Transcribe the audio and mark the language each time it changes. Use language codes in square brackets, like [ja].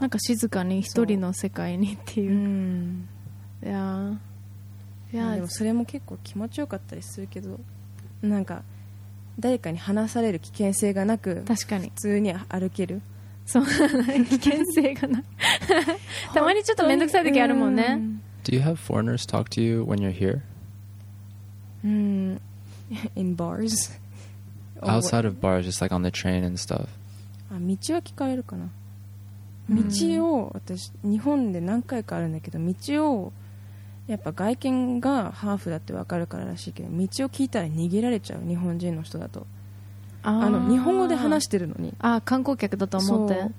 [ja] なんか静かに一人の世界にっていう、いやでもそれも結構気持ちよかったりするけど、なんか誰かに話される危険性がなく、確かに普通に歩ける、そう危険性がないたまにちょっとめんどくさい時あるもんね。 [en] Do you have foreigners talk to you when you're here? In bars? Outside of bars, just like on the train and stuff. [ja] 道は聞かれるかな、道を、私日本で何回かあるんだけど、道をやっぱ外見がハーフだってわかるかららしいけど、道を聞いたら逃げられちゃう、日本人の人だと。あの日本語で話してるのに、あ、観光客だと思って、